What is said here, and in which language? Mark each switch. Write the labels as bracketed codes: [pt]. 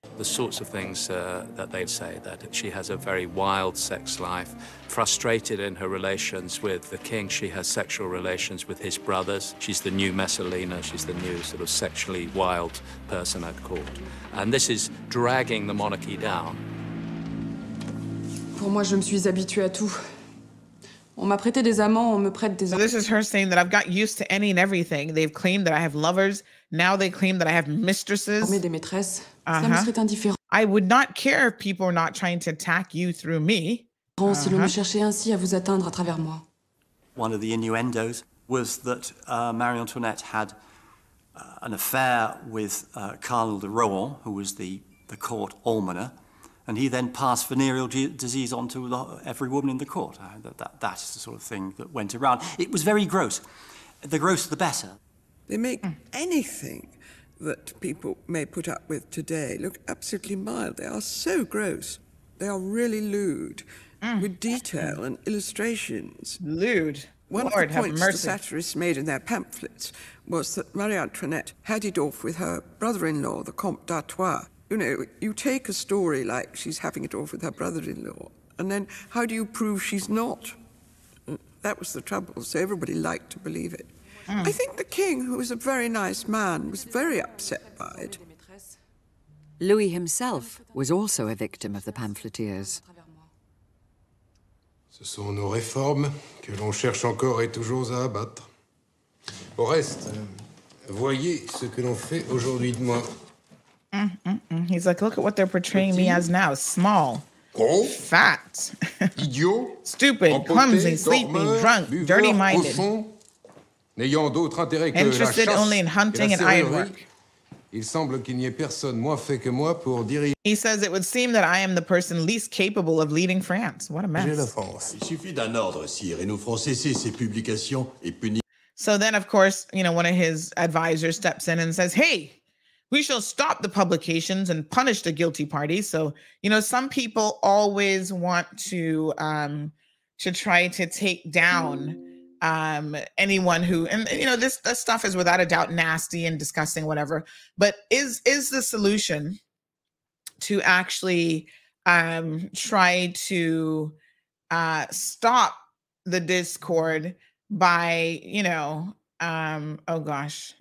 [en] The sorts of things that they'd say, that she has a very wild sex life, frustrated in her relations with the king. She has sexual relations with his brothers. She's the new Messalina. She's the new sort of sexually wild person at court. And this is dragging the monarchy down. [fr] Pour moi, je me suis habituée à tout. On m'a prêté des amants, on me prête des... [en] So this is her saying that I've got used to any and everything. They've claimed that I have lovers. Now they claim that I have mistresses. [fr] Mais des maîtresses. Ça me serait indifférent. [en] I would not care if people are not trying to attack you through me. [fr] Si l'on me cherchait ainsi à vous atteindre à travers moi. [en] One of the innuendos was that Marie Antoinette had an affair with Cardinal de Rohan, who was the court almoner. And he then passed venereal disease onto every woman in the court. That is the sort of thing that went around. It was very gross. The grosser, the better. They make anything that people may put up with today look absolutely mild. They are so gross. They are really lewd with detail and illustrations. Lewd. One Lord, of the points have mercy. The satirists made in their pamphlets was that Marie Antoinette had it off with her brother-in-law, the Comte d'Artois. You know, you take a story like she's having it off with her brother-in-law, and then how do you prove she's not? That was the trouble, so everybody liked to believe it. Mm. I think the king, who was a very nice man, was very upset by it. Louis himself was also a victim of the pamphleteers. [fr] Ce sont nos réformes que l'on cherche encore et toujours à abattre. Au reste, voyez ce que l'on fait aujourd'hui de moi. [en] He's like, look at what they're portraying me as now. Small. [fr] Gros, [en] fat. [fr] Idiot. [en] Stupid. [fr] Empoté, [en] clumsy. Sleepy. Drunk. Dirty minded. [fr] N'ayant d'autre intérêt que [en] interested [fr] la chasse [en] only in hunting [fr] et la [en] and ironwork. [fr] Il semble qu'il n'y ait personne moins fait que moi pour diriger. [en] He says it would seem that I am the person least capable of leading France. What a mess. [fr] J'ai la France. Il suffit d'un ordre, sire, et nous ferons cesser ces publications et punir. [en] So then, of course, you know, one of his advisors steps in and says, hey, we shall stop the publications and punish the guilty party. So, you know, some people always want to try to take down anyone who, and you know, this stuff is without a doubt nasty and disgusting, whatever, but is the solution to actually try to stop the discord by, you know, oh gosh.